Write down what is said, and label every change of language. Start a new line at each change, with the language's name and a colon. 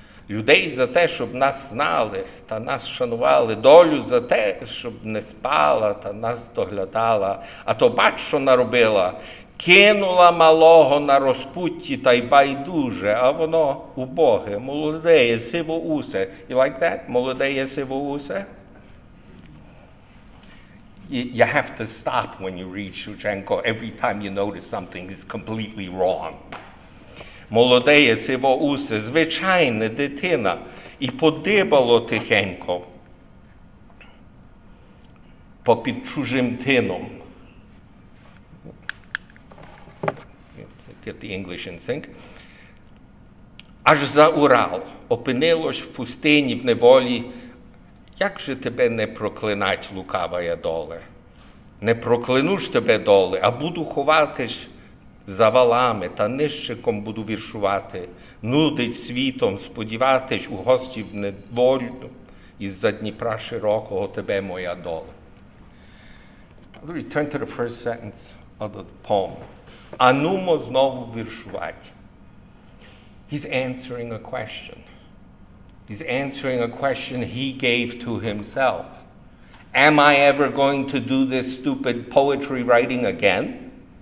Ukrainian: Людей за те, щоб нас знали та нас шанували, долю за те, щоб не спала та нас доглядала, а то бач, що наробила, кинула малого на розпутті та й байдуже, а воно убоге, молоде є сивоусе.
English: You like that?
Ukrainian: Молоде є сивоусе?
English: You have to stop when you read Shevchenko. Every time you notice something is completely wrong.
Ukrainian: Молодеє сивоусе, звичайне дитина, і подибало тихенько попід чужим тином.
English: Get the English in sync.
Ukrainian: Аж за Урал опинилось в пустині, в неволі. Як же тебе не проклинать, лукавая доле? Не проклину ж тебе, доле, а буду ховатись за валами та нищиком буду віршувати, нудить світом сподіватись у гостів недвольну із-за Дніпра широкого тебе, моя доле.
English: Let me turn to the first sentence of the poem.
Ukrainian: Анумо знову віршувати.
English: He's answering a question. He's answering a question he gave to himself. Am I ever going to do this stupid poetry writing again?